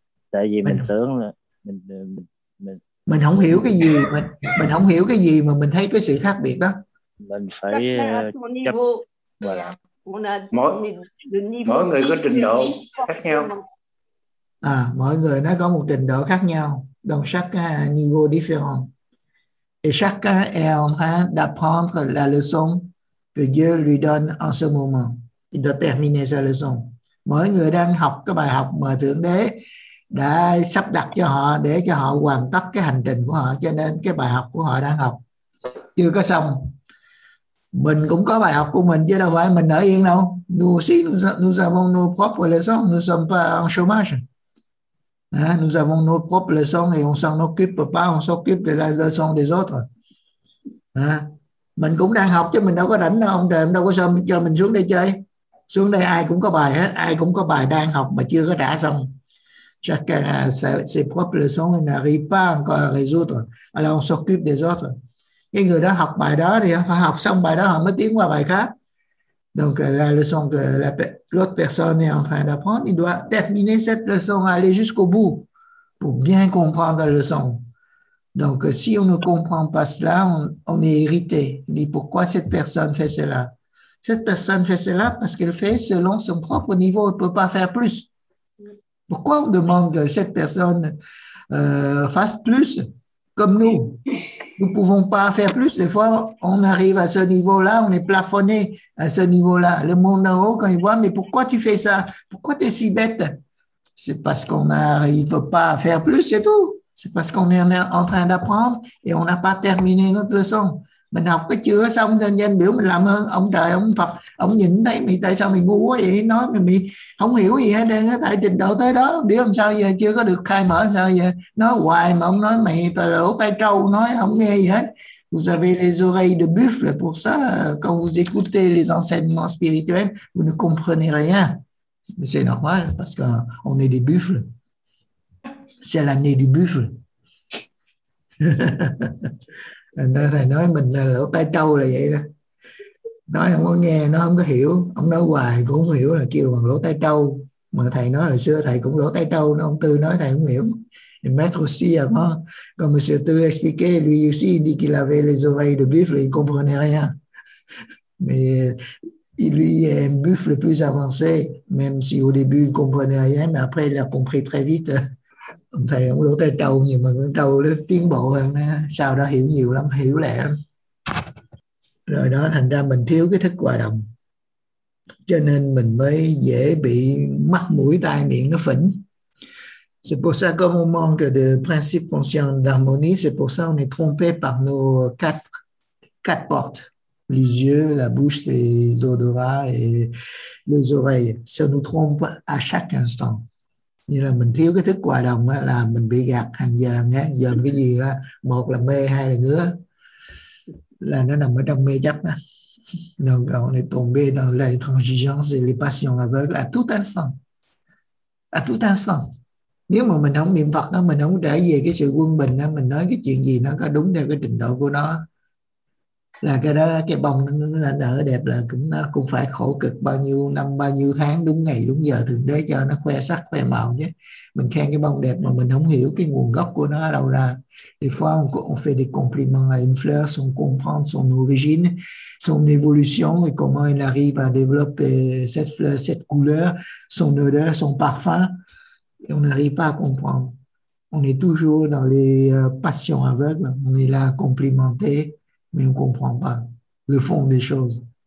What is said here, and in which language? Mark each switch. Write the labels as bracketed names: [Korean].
[Vietnamese] Tại vì mình tưởng là mình mình không hiểu cái gì, mình không hiểu cái gì mà mình thấy cái sự khác biệt đó. Mình phải chấp. [French] Voilà. [Vietnamese] Mỗi người có trình độ khác nhau. Mỗi người nó có một trình độ khác nhau. [French] Donc chaque niveau différent. Et chacun est en train d'apprendre la leçon que Dieu lui donne en ce moment. Il doit terminer sa leçon. [Vietnamese] Mỗi người đang học cái bài học mà Thượng Đế đã sắp đặt cho họ để cho họ hoàn tất cái hành trình của họ, cho nên cái bài học của họ đang học chưa có xong. Mình cũng có bài học của mình chứ đâu phải mình ở yên đâu. [French] Nous aussi nous avons nos propres leçons, nous sommes pas en chômage. Nous avons nos propres leçons et on s'en occupe pas, on s'occupe de la leçon des autres. [Vietnamese] Mình cũng đang học chứ mình đâu có rảnh đâu, ông trời đâu có cho mình xuống đây chơi. Xuống đây ai cũng có bài hết, ai cũng có bài đang học mà chưa có trả xong. [French] chacun a ses propres leçons, il n'arrive pas encore à résoudre. Alors on s'occupe des autres. [Vietnamese] Cái người đó học bài đó thì họ học xong bài đó họ mới tiến qua bài khác. [French] Donc la leçon que l'autre personne est en train d'apprendre, il doit terminer cette leçon, aller jusqu'au bout pour bien comprendre la leçon. Donc si on ne comprend pas cela, on est irrité. On dit pourquoi cette personne fait cela? Cette personne fait cela parce qu'elle fait selon son propre niveau, elle ne peut pas faire plus. Pourquoi on demande que cette personne fasse plus comme nous? Nous ne pouvons pas faire plus. Des fois, on arrive à ce niveau-là, on est plafonné à ce niveau-là. Le monde en haut, quand il voit, mais pourquoi tu fais ça? Pourquoi tu es si bête? C'est parce qu'on n'arrive pas à faire plus, c'est tout. C'est parce qu'on est en train d'apprendre et on n'a pas terminé notre leçon. [Vietnamese] Mình học cái chữa xong nhân nhân biểu mình làm hơn ông trời ông Phật ông nhìn thấy mình tại sao mình ngu quá vậy nói mình không hiểu gì hết đang tại trình độ tới đó biểu làm sao giờ chưa có được khai mở sao giờ nói hoài mà ông nói mày tao lỗ tai trâu nói không nghe gì hết. [French] Vous avez les oreilles de buffle pour ça, quand vous écoutez les enseignements spirituels vous ne comprenez rien, mais c'est normal parce qu'on est des buffles, c'est l'année du buffle. [Vietnamese] Nói thầy nói mình là lỗ tai trâu là vậy đó. Nói không có nghe, nó không có hiểu. Ông nói hoài cũng không hiểu là kêu bằng lỗ tai trâu. Mà thầy nói hồi xưa thầy cũng lỗ tai trâu. Nó ông Tư nói thầy không hiểu. [French] Et maître aussi avant, quand monsieur Tư expliquait, lui aussi il dit qu'il avait les oreilles de buffle, il comprenait rien. Mais lui est un buffle plus avancé, même si au début il comprenait rien, mais après il a compris très vite. [Vietnamese] Ông thầy ông lỗ tay trâu nhiều mà con trâu nó tiến bộ hơn đó. Sau đó hiểu nhiều lắm, hiểu lẹ lắm. Rồi đó thành ra mình thiếu cái thức hòa đồng. Cho nên mình mới dễ bị mắt mũi tai miệng nó phỉnh. [French] C'est pour ça qu'on manque de principe conscient d'harmonie, c'est pour ça qu'on est trompé par nos quatre portes. Les yeux, la bouche, les odorats et les oreilles. Ça nous trompe à chaque instant. [Vietnamese] Như là mình thiếu cái thức hòa đồng đó, là mình bị gạt hàng giờ nhé. Giờ cái gì là một là mê, hai là ngứa, là nó nằm ở trong mê chấp đó. [French] Donc on est tombé dans la transigence et les passions aveugles à tout instant, à tout instant. [Vietnamese] Nếu mà mình không niệm Phật đó, mình không trở về cái sự quân bình đó, mình nói cái chuyện gì nó có đúng theo cái trình độ của nó, là cái đó, cái bông nó nở đẹp là cũng nó cũng phải khổ cực bao nhiêu năm bao nhiêu tháng đúng ngày đúng giờ thượng đế cho nó khoe sắc khoe màu nhé. Mình khen cái bông đẹp mà mình không hiểu cái nguồn gốc của nó ở đâu ra. [French] Des fois on fait des compliments à une fleur sans comprendre son origine, son évolution et comment elle arrive à développer cette fleur, cette couleur, son odeur, son parfum, et on n'arrive pas à comprendre. On est toujours dans les passions aveugles, on est là à complimenter mais on ne comprend pas le fond des choses.